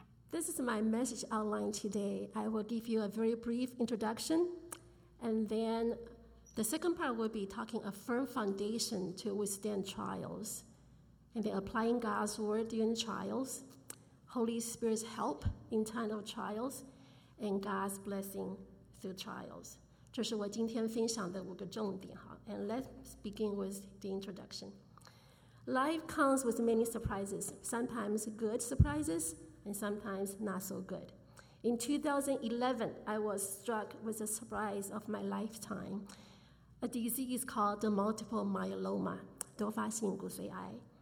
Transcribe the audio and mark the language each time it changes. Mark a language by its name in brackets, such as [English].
[English] This is my message outline today. I will give you a very brief introduction, and then the second part will be talking a firm foundation to withstand trials, and then applying God's word during trials, Holy Spirit's help in time of trials, and God's blessing through trials. [Chinese] 这是我今天分享的五个重点哈。 [English] And let's begin with the introduction. Life comes with many surprises, sometimes good surprises, and sometimes not so good. In 2011, I was struck with a surprise of my lifetime, a disease called the multiple myeloma, 多发性骨髓癌.